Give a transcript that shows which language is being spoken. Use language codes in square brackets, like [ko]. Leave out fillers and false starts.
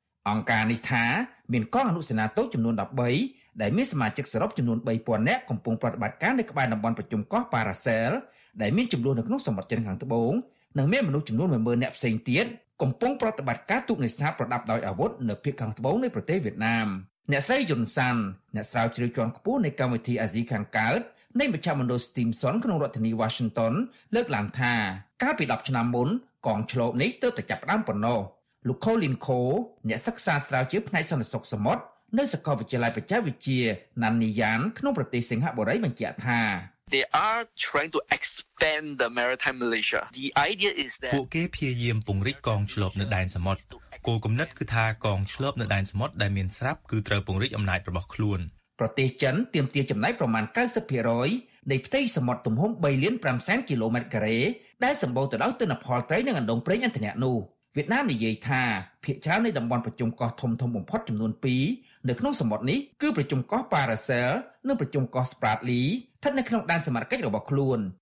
[km] អង្គការនេះថាមានកងអនុសេនាតូចចំនួន13ដែលមានសមាជិកសរុបចំនួន 3,000 នាក់កំពុងប្រតិបត្តិការនៅក្បែរតំបន់ប្រជុំកោះប៉ារ៉ាសែលដែលមានចំនួននៅក្នុងសមុទ្រចិនខាងត្បូងនិងមានមនុស្សចំនួន 10,000 នាក់ផ្សេងទៀតកំពុងប្រតិបត្តិការទូកនេសាទប្រដាប់ដោយអាវុធនៅភាគខាងត្បូងនៃប្រទេសវៀតណាមអ្នកស្រីយុនសាន់អ្នកស្រាវជ្រាវជាន់ខ្ពស់នៃកម្មវិធីអាស៊ីខាងកើតនៃមជ្ឈមណ្ឌលស្ទីមសុនក្នុងរដ្ឋធានី Washington លើកឡើងថា កាលពី10ឆ្នាំមុនកងឆ្លបនេះទើបតែចាប់ផ្ដើមប៉ុណ្ណោះលោក Colin Cole អ្នកសិក្សាស្រាវជ្រាវផ្នែកសន្តិសុខសមុទ្រនៅសាកលវិទ្យាល័យបច្ចេកវិទ្យា Nanyang ក្នុងប្រទេសសិង្ហបុរីបញ្ជាក់ថា [en] They are trying to expand the maritime militia. The idea is that [km] ពួកគេព្យាយាមពង្រីកកងឆ្លបនៅដែនសមុទ្រគោលគំនិតគឺថាកងឆ្លបនៅដែនសមុទ្រដែលមានស្រាប់គឺត្រូវពង្រីកអំណាចរបស់ខ្លួន ប្រទេសចិនទាមទារចំណាយប្រមាណ 90% នៃផ្ទៃសមុទ្រទំហំ 3.5 គីឡូម៉ែត្រការ៉េដែលសម្បូរទៅដោយទិន្នផលត្រីនិងអណ្ដូងប្រេងឥន្ធនៈនោះវៀតណាមនិយាយថាភាគច្រើននៃតំបន់ប្រជុំកោះធំធំបំផុតចំនួន2នៅក្នុងសមុទ្រនេះគឺប្រជុំកោះប៉ារ៉ាសែលនិងប្រជុំកោះស្ប្រាតលីស្ថិតនៅក្នុងដែនសមរភូមិរបស់ខ្លួន